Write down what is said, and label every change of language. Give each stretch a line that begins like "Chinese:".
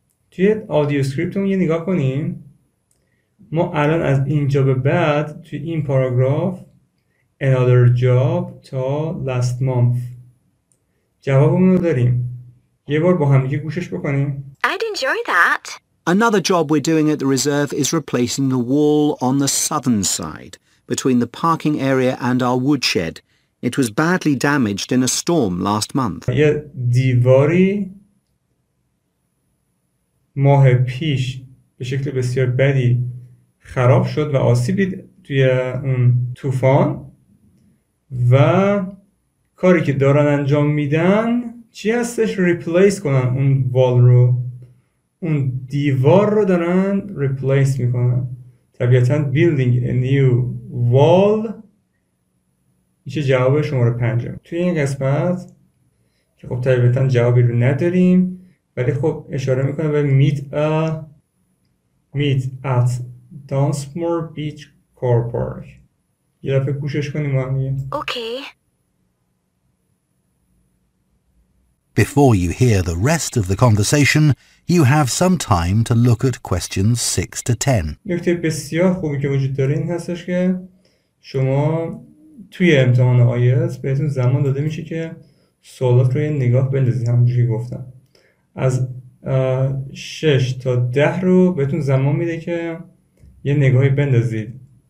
Persian: توی آدیو سکریپتمون یه نگاه کنیم، ما الان از اینجا به بعد توی این پاراگراف
English: another job
Persian: تا
English: last month
Persian: جوابمون رو داریم. یه بار با هم دیگه گوشش بکنیم.
English: I'd enjoy that. Another job we're doing at the reserve is replacing the wall on the southern side between the parking area and our woodshed. It was badly damaged in a storm last month.
Persian: یه دیواری ماه پیش به شکل بسیار بدی خراب شد و آسیبی توی اون طوفان، و کاری که دارن انجام میدن چی هستش؟ ریپلیس کنن اون وال رو، اون دیوار رو دارن ریپلیس میکنن. طبیعتاً
English: building a new wall
Persian: میشه جواب شماره 5. توی این قسمت که خب طبیعتاً جوابی رو نداریم، ولی خب اشاره میکنه به
English: meet at Dunsmore Beach Car Park.
Persian: یه دفعه کوشش کنیم ما دیگه. اوکی.
English: Before you hear the rest of the conversation, you have some time to look at questions 6 to 10.
Persian: نکته بسیار خوبی که وجود داره این هستش که شما توی امتحان IELTS بهتون زمان داده میشه که سوالات رو یه نگاه بندازید، همونجوری که گفتم. از 6 تا 10 رو بهتون زمان میده که یه نگاهی بندازید